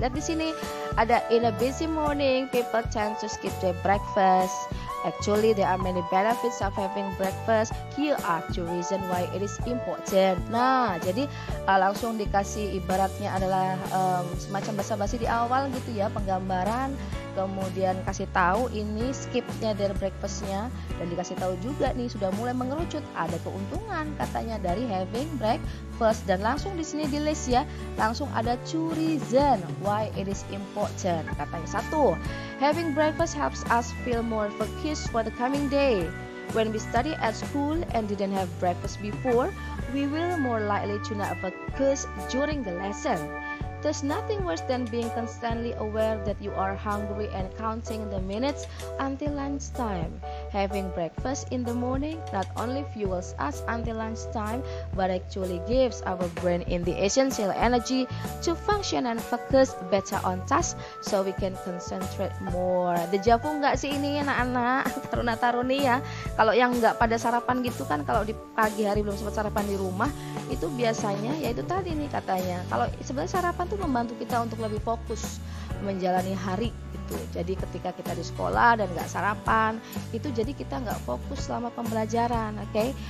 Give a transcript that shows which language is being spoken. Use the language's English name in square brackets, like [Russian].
[Indonesian] Lihat di sini ada [English] in a busy morning people tend to skip their breakfast. Actually there are many benefits of having breakfast. Here are two reasons why it is important. [Indonesian] Nah, jadi langsung dikasih ibaratnya adalah semacam basa-basi di awal gitu ya, penggambaran. Kemudian kasih tahu ini skipnya dari breakfastnya. Dan dikasih tahu juga nih sudah mulai mengerucut ada keuntungan katanya dari [English] having breakfast. [Indonesian] Dan langsung di sini di list ya, langsung ada [English] two reasons why it is important. [Indonesian] Katanya satu, [English] having breakfast helps us feel more focused for the coming day. When we study at school and didn't have breakfast before, we will more likely to not focus during the lesson. There's nothing worse than being constantly aware that you are hungry and counting the minutes until lunchtime. Having breakfast in the morning not only fuels us until lunchtime, but actually gives our brain in the essential energy to function and focus better on tasks so we can concentrate more. [Indonesian] Dejavu nggak sih ini anak-anak, taruna-taruni ya? Kalau yang nggak pada sarapan gitu kan, kalau di pagi hari belum sempat sarapan di rumah, itu biasanya ya itu tadi nih katanya. Kalau sebenarnya sarapan tuh membantu kita untuk lebih fokus menjalani hari. Jadi ketika kita di sekolah dan gak sarapan, itu jadi kita gak fokus selama pembelajaran, okay?